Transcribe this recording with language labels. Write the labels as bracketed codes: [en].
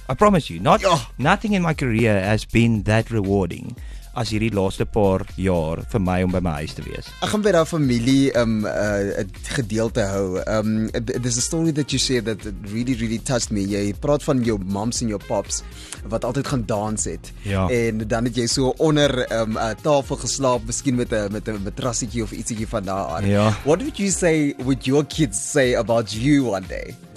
[en] I promise you, nothing in my career has been that rewarding as [af] hierdie laaste paar jaar vir my om by my huis te wees. Ek gaan by daai familie gedeelte hou. [en] There's a story that you said that really, really touched me. [af] Jy praat van jou moms en jou pops wat altyd gaan dans het. Ja. En dan het jy so onder 'n tafel geslaap, miskien met 'n matrasietjie of ietsiekie van daar aan. Ja. [en] What would you say, would your kids say about you one day?